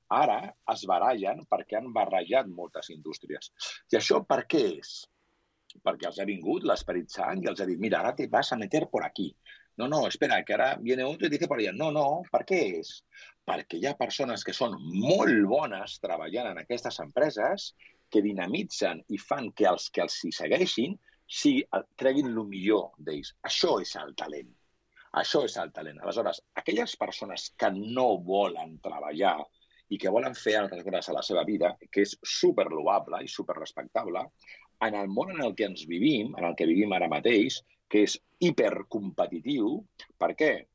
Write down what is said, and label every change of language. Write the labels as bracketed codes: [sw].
[ca] Ara es barallen perquè han barrejat moltes indústries. I això per què és? Perquè els ha vingut l'esperit sant i els ha dit, mira, ara [es] te vas a meter por aquí. No, espera, que ara viene otro y dice por allá. [ca] No, per què és? Perquè hi ha persones que són molt bones treballant en aquestes empreses que dinamitzen i fan que els que els hi segueixin si treguin el millor d'ells. Això és el talent. Això és el talent. Aleshores, aquelles persones que no volen treballar i que volen fer altres coses a la seva vida, que és superloable i superrespectable, en el món en el que ens vivim, en el que vivim ara mateix, que és hipercompetitiu, per què?